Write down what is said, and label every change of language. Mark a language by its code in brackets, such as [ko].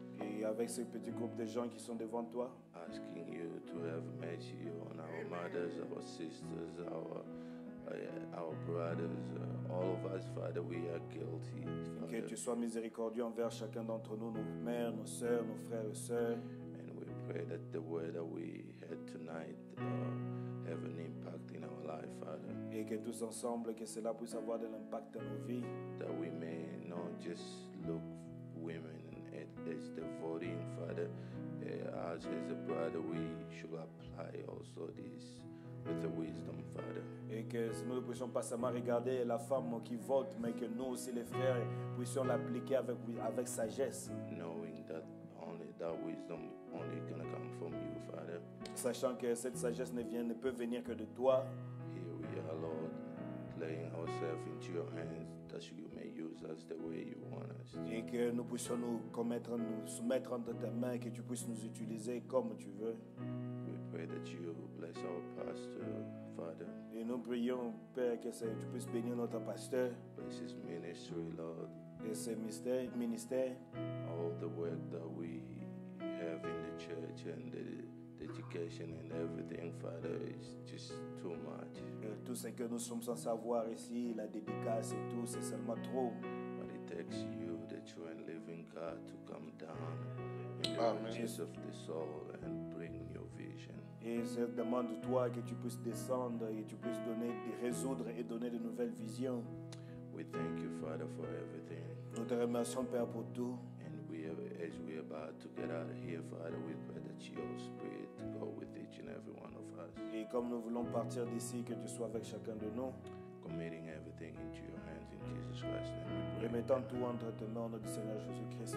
[fr] Et avec ce petit groupe de gens qui sont devant toi. [en] Asking you to have mercy on our mothers, our sisters, our brothers, all of us, Father. We are guilty. Father. [fr] Que tu sois miséricordieux envers chacun d'entre nous, nos mères, nos sœurs, nos frères et sœurs. [en] And we pray that the word that we had tonight have an impact in our life, Father. [fr] Et que tous ensemble, que cela puisse avoir de l'impact dans nos vies. [en] That we may not just look women as the voting, Father. As a brother, we should apply also this with the wisdom, Father. [fr] Et que nous ne puissions pas seulement regarder la femme qui vote, mais que nous aussi, les frères, puissions l'appliquer avec sagesse. [en] Knowing that only that wisdom only can come from you, Father. [fr] Sachant que cette sagesse ne peut venir que de toi. [en] Here we are, Lord, laying ourselves into your hands, that you may use us the way you want us. [fr] Et que nous puissions nous soumettre entre tes mains, que tu puisses nous utiliser comme tu veux. [en] We pray that you bless our pastor, Father. [fr] Et nous prions, Père, que tu puisses bénir notre pasteur. [en] Bless his ministry, Lord. [fr] Et ses ministères. [en] All the work that we have. children, the education and everything, Father, is just too much. [fr] Et tout ce que nous sommes sans savoir ici, la dédicace et tout, c'est seulement trop. [en] But it takes you, the true and living God, to come down in the riches of the soul and bring your vision. [fr] Et je demande toi que tu puisses descendre et tu puisses donner, de résoudre et donner de nouvelles visions. [en] We thank you, Father, for everything. [fr] Nous te remercions, Père, pour tout. [en] As we are about to get out of here, Father, we pray that your spirit go with each and every one of us. [fr] Et comme nous voulons partir d'ici, que tu sois avec chacun de nous. [en] Committing everything into your hands in Jesus Christ's name. [fr] Remettant tout entre tes mains, au nom du Seigneur Jésus-Christ.